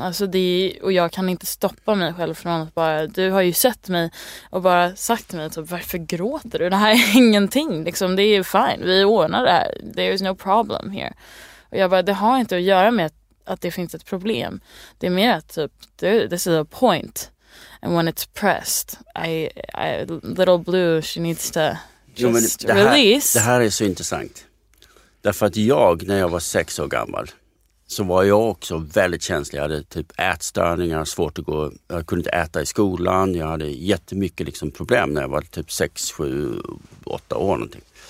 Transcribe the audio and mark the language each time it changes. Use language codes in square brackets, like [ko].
[sv] Alltså det, och jag kan inte stoppa mig själv från att bara, du har ju sett mig och bara sagt till mig typ, varför gråter du? Det här är ingenting liksom, det är fine. Vi ordnar det här. [en] There is no problem here. [sv] Och jag bara, det har inte att göra med att det finns ett problem. Det är mer att typ, [en] this is a point. And when it's pressed, I little Blue, she needs to just [sv] det [en] release. [sv] Här, det här är så intressant. Därför att jag, när jag var 6 år gammal, så var jag också väldigt känslig. Jag hade typ ätstörningar, svårt att gå. Jag kunde inte äta i skolan. Jag hade jättemycket liksom problem när jag var typ 6, 7, 8 år någonting.